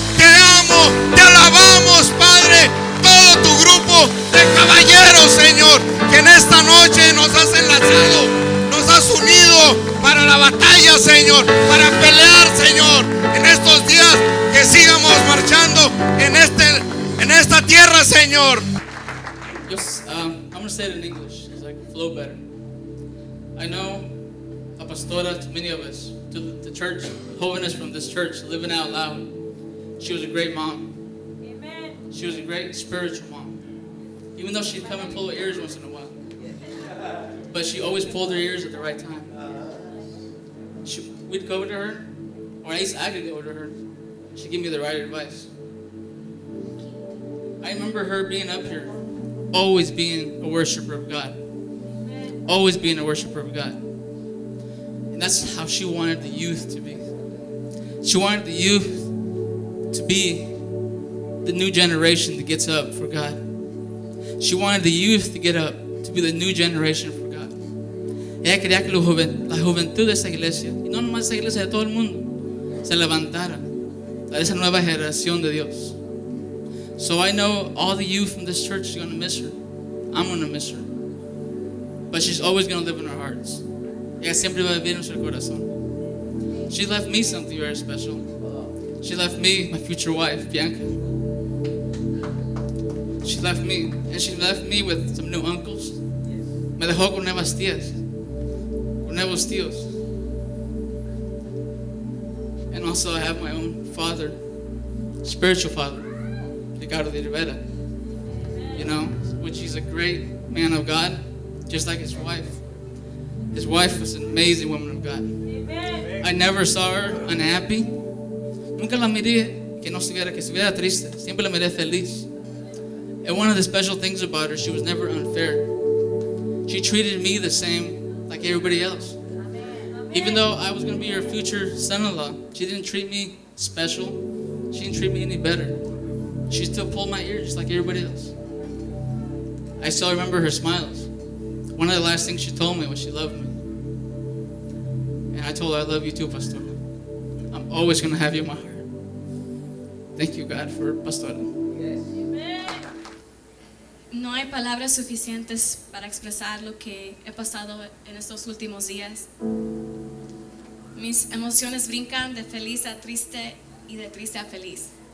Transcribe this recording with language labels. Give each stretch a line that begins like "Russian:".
Spanish: Te amo, te alabamos, Padre, todo tu grupo de caballeros, Señor, que en esta noche nos has enlazado, nos has unido para la batalla, Señor, para pelear, Señor, en estos días que sigamos marchando en esta tierra, Señor.
English: I'm gonna say it in English because I flow better. I know a pastora, to many of us, to the church, holiness from this church, living out loud. She was a great mom. Amen. She was a great spiritual mom. Even though she'd come and pull her ears once in a while. But she always pulled her ears at the right time. We'd go to her, or at least I could go to her. She'd give me the right advice. I remember her being up here, always being a worshiper of God. Always being a worshiper of God. And that's how she wanted the youth to be. She wanted the youth to be the new generation that gets up for God. She wanted the youth to get up to be the new generation for God.
Spanish: Ella quería que la juventud de esta iglesia, y no nomás esta iglesia, de todo el mundo, se levantara a esa nueva generación de Dios.
English: So I know all the youth from this church are going to miss her. I'm going to miss her. But she's always going to live in our hearts.
Spanish: Ella siempre va a vivir en nuestro corazón.
English: She left me something very special. She left me my future wife, Bianca. She left me, and she left me with some new uncles.
Spanish: Me dejó con nuevas tías, con nuevos tíos.
English: And also I have my own father, spiritual father, Ricardo de Rivera, you know, which he's a great man of God, just like his wife. His wife was an amazing woman of God. Amen. I never saw her unhappy.
Spanish: Nunca la miré que no estuviera, que estuviera triste. Siempre la miré feliz.
English: And one of the special things about her, she was never unfair. She treated me the same like everybody else. Amen. Even though I was going to be her future son-in-law, she didn't treat me special. She didn't treat me any better. She still pulled my ear just like everybody else. I still remember her smiles. One of the last things she told me was she loved me. And I told her, I love you too, Pastora. I'm always going to have you in my heart. Thank you, God, for Pastora. Yes.
Spanish: No hay palabras suficientes para expresar lo que he pasado en estos últimos días. Mis emociones brincan de feliz a triste y de triste a feliz.